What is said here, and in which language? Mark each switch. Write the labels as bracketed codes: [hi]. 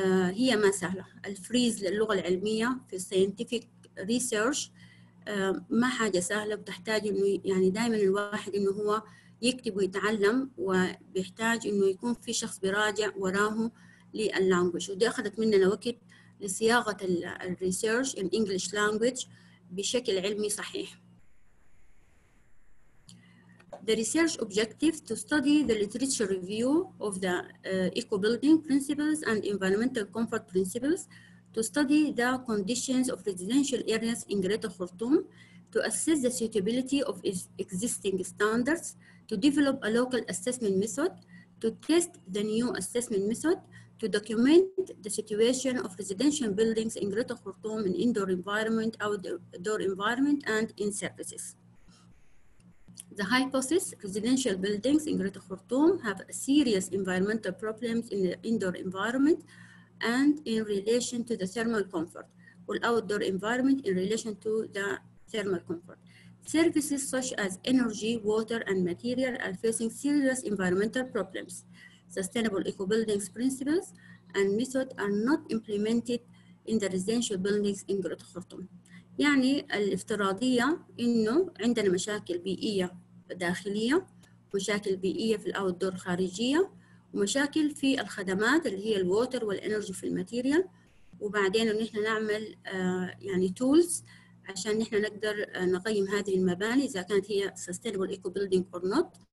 [ar] هي ما سهلة، الفريز للغة العلمية في scientific research ما حاجة سهلة، بتحتاج إنه يعني دائما الواحد إنه هو يكتب ويتعلم، وبيحتاج إنه يكون في شخص براجع وراه للانجويج، ودي أخذت مننا وقت لصياغة الريسيرش [en] in English language [ar] بشكل علمي صحيح. [en] The research objective to study the literature review of the eco building principles and environmental comfort principles to study the conditions of residential areas in Greater Khartoum to assess the suitability of existing standards to develop a local assessment method to test the new assessment method to document the situation of residential buildings in Greater Khartoum in indoor environment, outdoor environment, and in services. The hypothesis, residential buildings in Greater Khartoum have serious environmental problems in the indoor environment and in relation to the thermal comfort, or outdoor environment in relation to the thermal comfort. Services such as energy, water, and material are facing serious environmental problems. Sustainable eco buildings principles and methods are not implemented in the residential buildings in Greater Khartoum. [ar] يعني الافتراضية إنه عندنا مشاكل بيئية داخلية، مشاكل بيئية في الأوتدور خارجية، ومشاكل في الخدمات اللي هي الووتر والإنرجي في الماتيريال، وبعدين نحن نعمل يعني تولز عشان نحن نقدر نقيم هذه المباني إذا كانت هي [en] sustainable eco building or not.